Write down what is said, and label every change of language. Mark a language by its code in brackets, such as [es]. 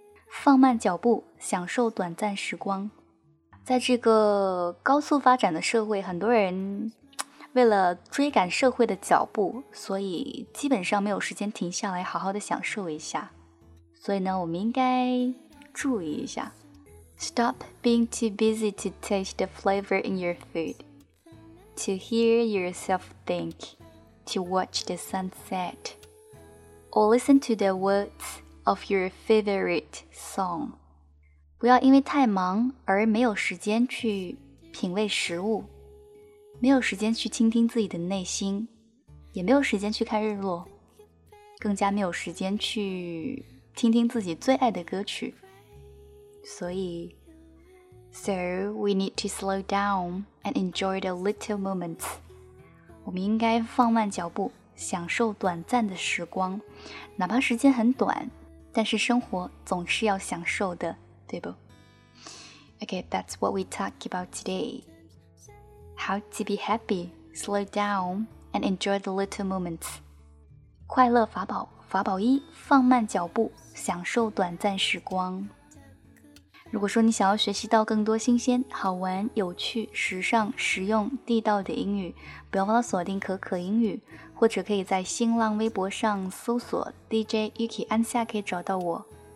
[zh] 放慢脚步，享受短暂时光。在这个高速发展的社会，很多人为了追赶社会的脚步，所以基本上没有时间停下来好好的享受一下。所以呢，我们应该注意一下。 [en] Stop being too busy to taste the flavor in your food, to hear yourself think, to watch the sunset, or listen to the words of your favorite song. [zh] 不要因为太忙而没有时间去品味食物，没有时间去倾听自己的内心，也没有时间去看日落，更加没有时间去听听自己最爱的歌曲。 [en] 所以 So we need to slow down and enjoy the little moments. [zh] 我们应该放慢脚步，享受短暂的时光，哪怕时间很短，但是生活总是要享受的，对不？ [en] Okay, that's what we talk about today. How to be happy, slow down, and enjoy the little moments. [zh] 快乐法宝，法宝一，放慢脚步，享受短暂时光。如果说你想要学习到更多新鲜、好玩、有趣、时尚、实用、地道的英语，不要忘了锁定可可英语，或者可以在新浪微博上搜索 DJ Yuki 安夏，可以找到我。